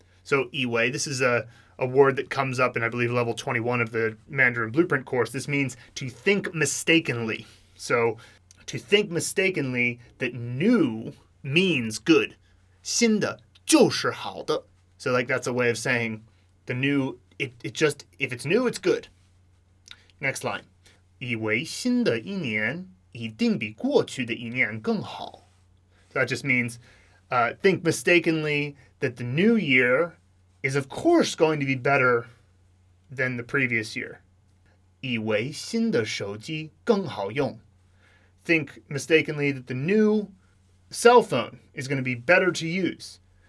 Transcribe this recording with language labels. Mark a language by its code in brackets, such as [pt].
[en] So 以为, this is a word that comes up in, I believe, level 21 of the Mandarin Blueprint course. This means to think mistakenly. So to think mistakenly that new means good. [zh] 新的.就是好的. [en] So like that's a way of saying the new, it just, if it's new, it's good. Next line. [zh] 以为新的一年一定比过去的一年更好. [en] So that just means think mistakenly that the new year is of course going to be better than the previous year. [zh] 以为新的手机更好用. [en] Think mistakenly that the new cell phone is going to be better to use.